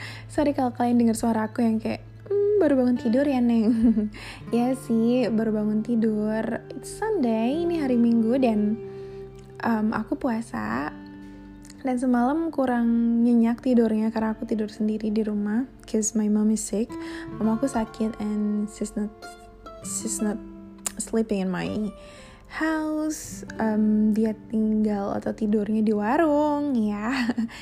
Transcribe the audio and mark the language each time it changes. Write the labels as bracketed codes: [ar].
[id] Sorry kalau kalian dengar suara aku yang kayak baru bangun tidur ya, Neng. Ya sih, baru bangun tidur. [en] It's Sunday, [id] ini hari Minggu dan aku puasa. Dan semalam kurang nyenyak tidurnya karena aku tidur sendiri di rumah. [en] Cause my mom is sick. [id] Mamaku sakit [en] and she's not sleeping in my house. [id] Dia tinggal atau tidurnya di warung ya.